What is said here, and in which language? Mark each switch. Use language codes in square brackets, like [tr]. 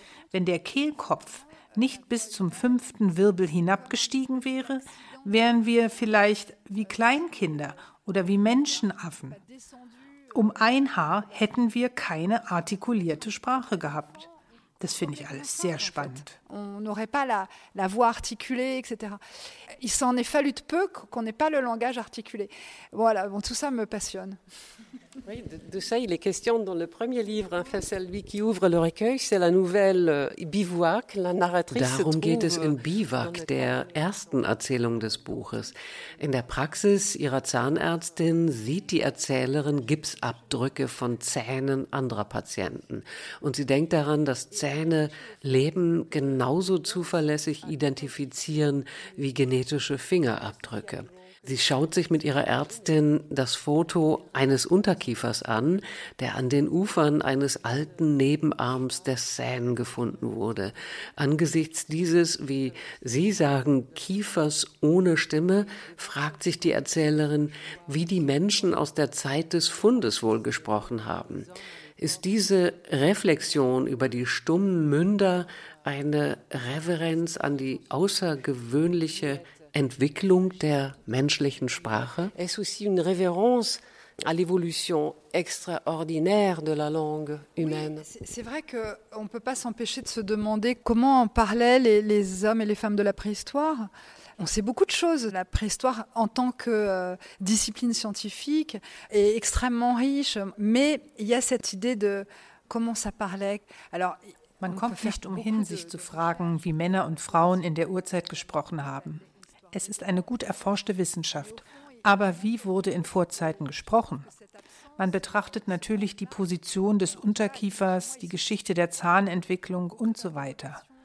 [de] Wenn der Kehlkopf nicht bis zum fünften Wirbel hinabgestiegen wäre, wären wir vielleicht wie Kleinkinder oder wie Menschenaffen. Um ein Haar hätten wir keine artikulierte Sprache gehabt. Das finde ich alles sehr spannend. [fr] On n'aurait pas la voix articulée, etc. Il s'en est fallu de peu qu'on n'ait pas le langage articulé. Voilà, bon, tout ça me passionne. Oui, de ça, il est question dans le premier livre, enfin celui qui ouvre le recueil, c'est la nouvelle Bivouac, la narratrice. [de] Darum geht es im Bivouac der ersten Erzählung des Buches. In der Praxis ihrer Zahnärztin sieht die Erzählerin Gipsabdrücke von Zähnen anderer Patienten. Und sie denkt daran, dass Zähne Leben genauso zuverlässig identifizieren wie genetische Fingerabdrücke. Sie schaut sich mit ihrer Ärztin das Foto eines Unterkiefers an, der an den Ufern eines alten Nebenarms der Seine gefunden wurde. Angesichts dieses, wie Sie sagen, Kiefers ohne Stimme, fragt sich die Erzählerin, wie die Menschen aus der Zeit des Fundes wohl gesprochen haben. Ist diese Reflexion über die stummen Münder eine Reverenz an die außergewöhnliche Entwicklung der menschlichen Sprache? [fr] Est-ce aussi une révérence à l'évolution extraordinaire de la langue humaine? C'est vrai que on peut pas s'empêcher de se demander comment en parlaient les hommes et les femmes de la préhistoire. On sait beaucoup de choses. La préhistoire, en tant que discipline scientifique, est extrêmement riche. Mais il y a cette idée de comment ça parlait. Alors, [de] Man kommt nicht umhin, sich zu fragen, wie Männer und Frauen in der Urzeit gesprochen haben. Es ist eine gut erforschte Wissenschaft. Aber wie wurde in Vorzeiten gesprochen? Man betrachtet natürlich die Position des Unterkiefers, die Geschichte der Zahnentwicklung und so weiter.